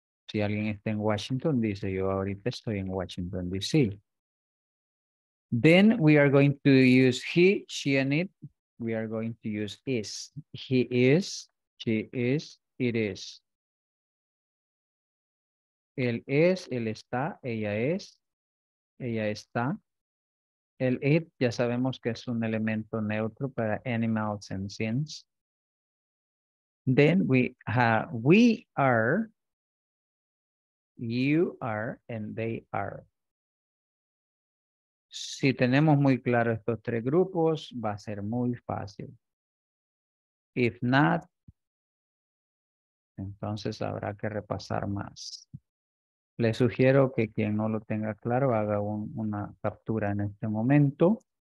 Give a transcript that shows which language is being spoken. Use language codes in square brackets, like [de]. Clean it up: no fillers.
[es] Si alguien está en Washington, dice yo ahorita estoy en Washington, D.C. [en] Then we are going to use he, she, and it. We are going to use is. He is, she is, it is. [es] Él es, él está, ella es, ella está. El it, ya sabemos que es un elemento neutro para [en] animals and things. Then we are, you are, and they are. [es] Si tenemos muy claro estos tres grupos, va a ser muy fácil. [en] If not, [es] entonces habrá que repasar más. Les sugiero que quien no lo tenga claro haga una captura en este momento.